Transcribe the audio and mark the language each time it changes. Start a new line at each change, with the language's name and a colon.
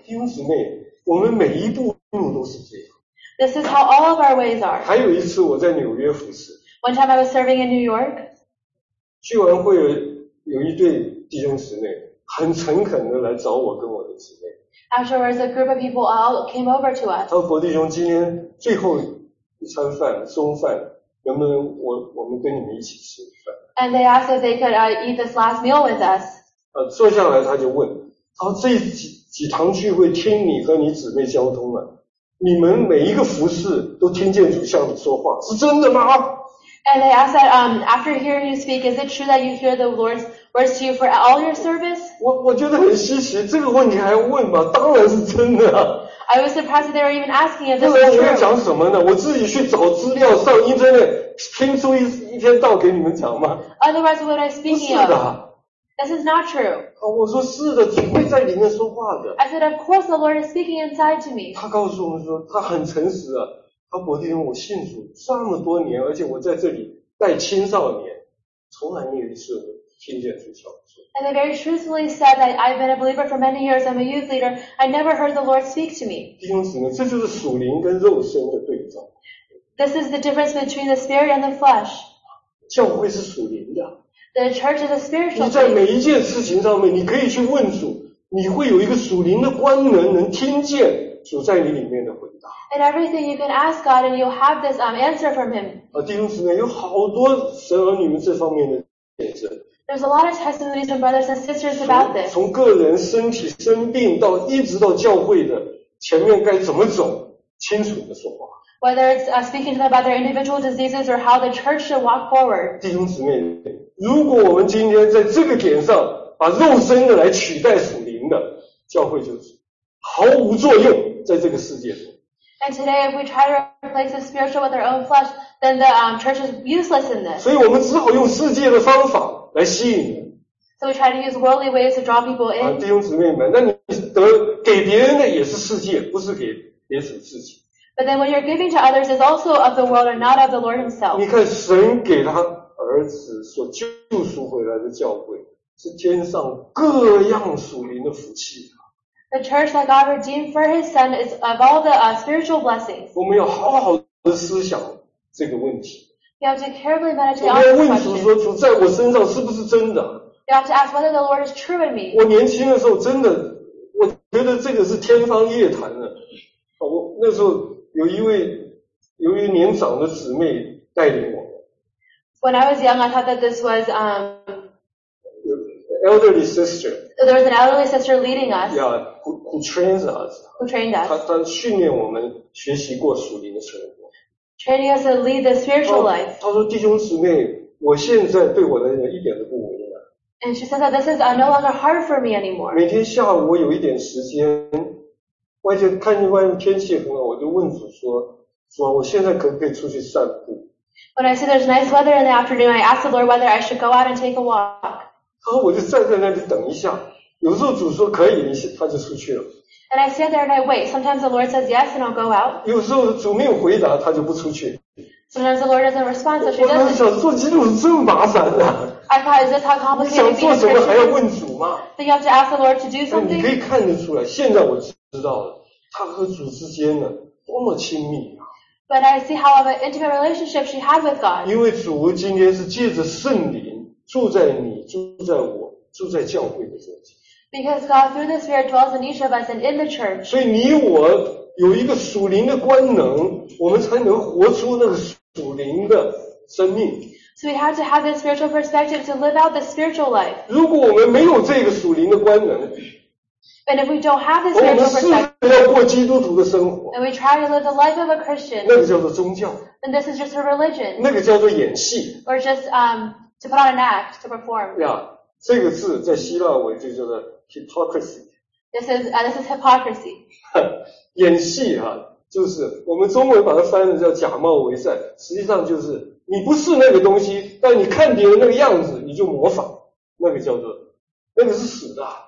Chinese: 弟兄姊妹，我们每一步路都是这样。
English: This is how all of our ways are.
Chinese: 还有一次我在纽约服侍。
English: One time I was serving in New York.
Chinese: 聚完会有一对弟兄姊妹很诚恳地来找我跟我的姊妹。
English: Afterwards, a group of people all came over to us.
Chinese: 他说：“伯弟兄，今天最后一餐饭，中饭，能不能我们跟你们一起吃饭
English: ？”And they asked if they could eat this last meal with us.
Chinese: 坐下来他就问，他说：“这几堂聚会听你和你姊妹交通了，你们每一个服侍都听见主向你说话，是真的吗？”
English: And they asked that after hearing you speak, is it true that you hear the Lord's words to you for all your service?
Chinese: 我觉得很稀奇，这个问题还要问吗？当然是真的啊。
English: I was surprised that they were even asking if this is true.
Chinese: 这个人讲什么呢？我自己去找资料，上 internet 拼出一篇道给你们讲吗？
English: Otherwise, what am I speaking of?
Chinese: 不是的。
English: This is not true.
Chinese: 我说是的，主会在里面说话的。
English: I said, of course, the Lord is speaking inside to me.
Chinese: 他告诉我们说，他很诚实啊。他伯弟兄，我信主这么多年，而且我在这里带青少年，从来没有一次听见主叫我说。
English: And they very truthfully said that I've been a believer for many years. I'm a youth leader. I never heard the Lord speak to me.
Chinese: 弟兄姊妹，这就是属灵跟肉身的对照。
English: This is the difference between the spirit and the flesh.
Chinese: 教会是属灵的。
English: The church is a spiritual.
Chinese: 你在每一件事情上面，你可以去问主，你会有一个属灵的官能，能听见主在你里面的回答。
English: And everything you can ask God, and you'll have this answer from Him.
Chinese: 弟兄姊妹，有好多神儿女们这方面的见证。
English: There's a lot of testimonies from brothers and sisters about this.
Chinese: 从个人身体生病到一直到教会的前面该怎么走，清楚的说话。
English: Whether it's speaking to them about their individual diseases or how the church should walk forward.
Chinese: 弟兄姊妹，如果我们今天在这个点上把肉身的来取代属灵的，教会就是毫无作用在这个世界上。
English: And today, if we try to replace the spiritual with our own flesh, then the church is useless in this.
Chinese: 所以我们只好用世界的方法来吸引人。
English: So we try to use worldly ways to draw people in.
Chinese: 弟兄姊妹们，那你得给别人的也是世界，不是给别人自己。
English: But then, when you're giving to others, it's also of the world and not of the Lord Himself.
Chinese: 你看，神给他儿子所救赎回来的教会，是天上各样属灵的福气。
English: The church that God redeemed for His Son is of all the spiritual blessings.
Chinese: 我们要好好的思想这个问题。
English: You have to carefully meditate on this question.
Chinese: 我们要问主说，主在我身上是不是真的？
English: You have to ask whether the Lord is true in me.
Chinese: 我年轻的时候真的，我觉得这个是天方夜谭的。我那时候有一位年长的姊妹带领我。
English: When I was young, I thought that this was elderly sister. There was an elderly sister leading us. Yeah, who trains us. Who trained us.
Chinese: 她训练我们学习过属灵的生活。
English: Training us to lead the spiritual life.
Chinese: 她说：“弟兄姊妹，我现在对我的人一点都不为难。”
English: And she said that this is no longer hard for me anymore.
Chinese: 每天下午我有一点时间，外界看见外面天气很好，我就问主说：“主啊，我现在可不可以出去散步？”
English: When I see there's nice weather in the afternoon, I ask the Lord whether I should go out and take a walk.
Chinese: 然后我就站在那里等一下，有时候主说可以，他就出去了。
English: And I stand there and I wait. Sometimes the Lord says yes and I'll go out.
Chinese: 有时候主没有回答，他就不出去。
English: Sometimes the Lord doesn't respond, so she doesn't.
Chinese: 我当时想做基督徒这么麻烦的。
English: I thought, is this how complicated?
Chinese: 你想做什么还要问主吗？
English: Then you have to ask the Lord to do something.
Chinese: 你可以看得出来，现在我知道了，他和主之间呢多么亲密啊。
English: But I see how of an intimate relationship she has with God.
Chinese: 因为主今天是借着圣灵。住在你，住在我，住在教会的中间。
English: Because God through the Spirit dwells in each of us and in the church.
Chinese: 所以你我有一个属灵的官能，我们才能活出那个属灵的生命。
English: So we have to have the spiritual perspective to live out the spiritual life.
Chinese: 如果我们没有这个属灵的官能，
English: and if we don't have the spiritual perspective,
Chinese: 我们试图要过基督徒的生活，
English: and we try to live the life of a Christian,
Chinese: 那个叫做宗教，
English: and this is just a religion,
Chinese: 那个叫做演戏，
English: or just to put on an act, to perform.
Chinese: Yeah, 这个字在希腊文就叫做 hypocrisy.
English: This is hypocrisy.
Chinese: 演戏啊，就是我们中文把它翻译叫假冒伪善，实际上就是你不是那个东西，但你看别人那个样子你就模仿，那个叫做那个是死的。